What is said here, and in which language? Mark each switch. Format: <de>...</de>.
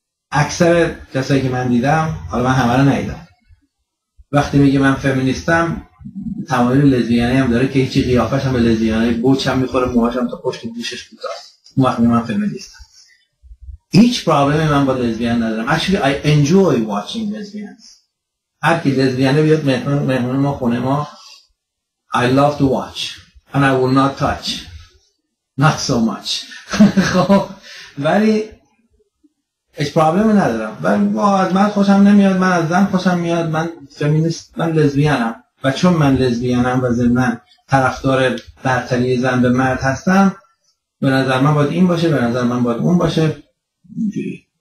<fa>اکثر کسایی که من دیدم، حالا من همه رو ندیدم، وقتی میگه من فمینیستم تمایل لزبیانه هم داره که هیچی قیافش هم به لزبیانه بوچ هم میخوره، موهاش هم تا پشت دوشش بوداست، اون وقت میگه من فمینیستم. هیچ پرابلمی من با لزبیان ندارم.</fa> <en>Actually I enjoy watching lesbians.</en> <fa>هر کی لزبیانه بیاد مهمون ما خونه ما</fa> <en>I love to watch and I will not touch not so much.</en> <fa>خب ولی هیچ پرابلمی ندارم. از من خوشم نمیاد، من از زن خوشم میاد، من فمینیست، من لزبیانم و چون من لزبیانم و ضمناً طرفدار برتری زن به مرد هستم، به نظر من باید این باشه، به نظر من باید اون باشه، اینجوری.</fa>